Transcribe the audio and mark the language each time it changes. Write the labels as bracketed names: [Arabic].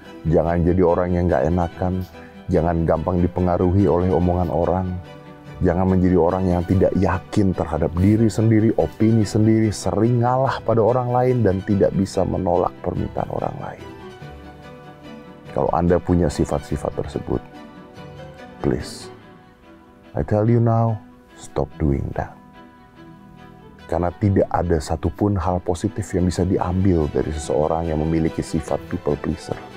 [Indonesian] Jangan jadi orang yang gak enakan, jangan gampang dipengaruhi oleh omongan orang. Jangan menjadi orang yang tidak yakin terhadap diri sendiri, opini sendiri, sering ngalah pada orang lain, dan tidak bisa menolak permintaan orang lain. Kalau Anda punya sifat-sifat tersebut, [English] please, I tell you now, stop doing that. [Indonesian] Karena tidak ada satupun hal positif yang bisa diambil dari seseorang yang memiliki sifat people pleaser.